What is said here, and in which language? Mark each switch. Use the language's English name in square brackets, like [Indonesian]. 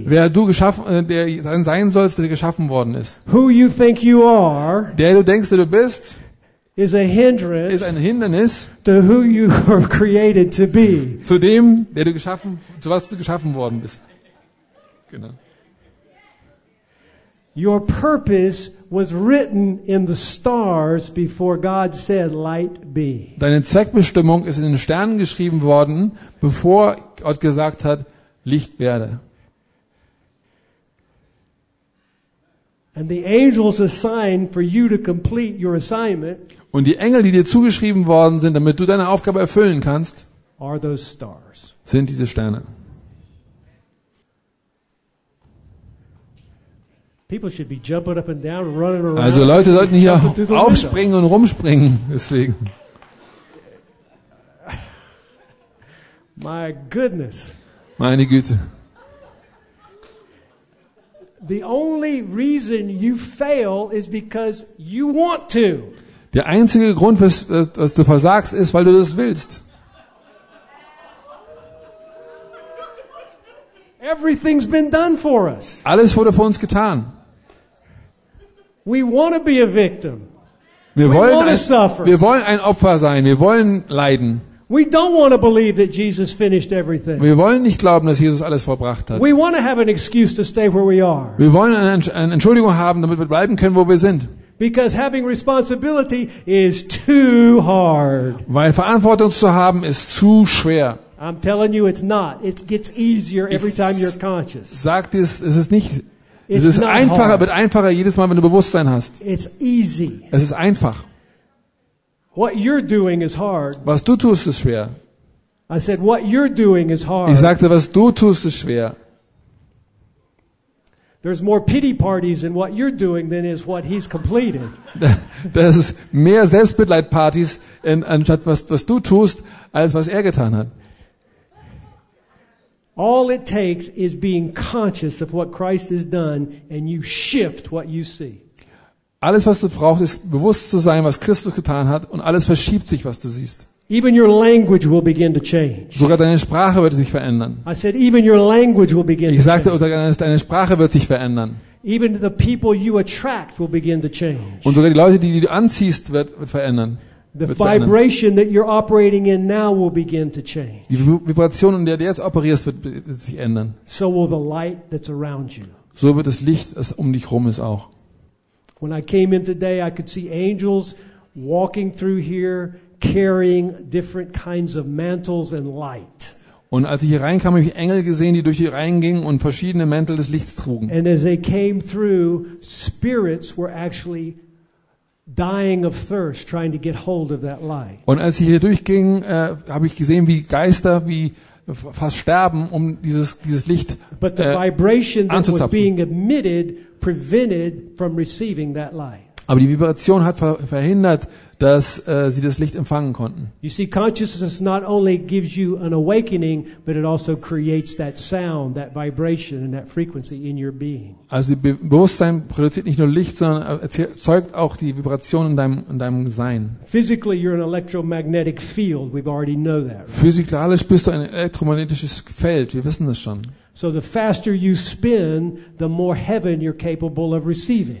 [German] Wer du geschaffen, der sein sollst, der geschaffen worden ist. [English] Who you think you are. [German] Der du denkst, der du bist. [English] Is a hindrance, [German] ist ein Hindernis, [English] to who you are created to be. [German] Zu dem, der du geschaffen, zu was du geschaffen worden bist. Genau. [English] Your purpose was written in the stars before God said, "Light be." [German] Deine Zweckbestimmung ist in den Sternen geschrieben worden, bevor Gott gesagt hat, Licht werde. [English] And the angels assigned for you to complete your assignment. [German] Und die Engel, die dir zugeschrieben worden sind, damit du deine Aufgabe erfüllen kannst, [English] are those stars. [German] Sind diese Sterne. [English] People should be jumping up and down and running around. [German] Also Leute sollten hier aufspringen und rumspringen, deswegen. [English] My goodness. [German] Meine Güte. [English] The only reason you fail is because you want to. [German] Der einzige Grund, dass du versagst, ist, weil du das willst. [English] Everything's been done for us. [German] Alles wurde für uns getan. [English] We want to be a victim. [German] Wir wollen ein Opfer sein. Wir wollen leiden. [English] We don't want to believe that Jesus finished everything. [German] Wir wollen nicht glauben, dass Jesus alles vollbracht hat. [English] We want to have an excuse to stay where we are. [German] Wir wollen eine Entschuldigung haben, damit wir bleiben können, wo wir sind. [English] Because having responsibility is too hard. [German] Weil Verantwortung zu haben ist zu schwer. [English] I'm telling you, it's not. It gets easier every time you're conscious. [German] Sag dir, es ist nicht. Es ist einfacher, wird einfacher jedes Mal, wenn du Bewusstsein hast. [English] It's easy. [German] Es ist einfach. [English] What you're doing is hard. [German] Was du tust, ist schwer. [English] I said, what you're doing is hard. [German] Ich sagte, was du tust, ist schwer. [English] There's more pity parties in what you're doing than is what he's completed. [German] Das ist mehr Selbstmitleidpartys anstatt was du tust als was er getan hat. [English] All it takes is being conscious of what Christ has done and you shift what you see. [German] Alles was du brauchst ist bewusst zu sein, was Christus getan hat und alles verschiebt sich, was du siehst. [English] Even your language will begin to change. [German] Sogar deine Sprache wird sich verändern. [English] I said even your language will begin to change. [German] Ich sagte, deine Sprache wird sich verändern. [English] Even the people you attract will begin to change. [German] Und sogar die Leute, die du anziehst, wird verändern. [English] The vibration that you're operating in now will begin to change. [German] Die Vibration, in der du jetzt operierst, wird sich ändern. [English] So will the light that's around you. [German] So wird das Licht, das um dich rum ist, auch. [English] When I came in today, I could see angels walking through here. Carrying different kinds of mantles and light. [German] Und als ich hier reinkam, habe ich Engel gesehen, die durch hier reingingen und verschiedene Mäntel des Lichts trugen. [English] And as they came through, spirits were actually dying of thirst, trying to get hold of that light. [German] Und als ich hier durchging, habe ich gesehen, wie Geister, wie fast sterben, um dieses Licht anzuzapfen. [English] But the vibration that was being emitted prevented from receiving that light. [German] Aber die Vibration hat verhindert, dass sie das Licht empfangen konnten. [English] You see, consciousness not only gives you an awakening, but it also creates that sound, that vibration and that frequency in your being. [German] Also Bewusstsein produziert nicht nur Licht, sondern erzeugt auch die Vibration in deinem Sein. [English] Physically you're an electromagnetic field, we've already know that. Right? [German] Physikalisch bist du ein elektromagnetisches Feld, wir wissen das schon. [English] So the faster you spin, the more heaven you're capable of receiving.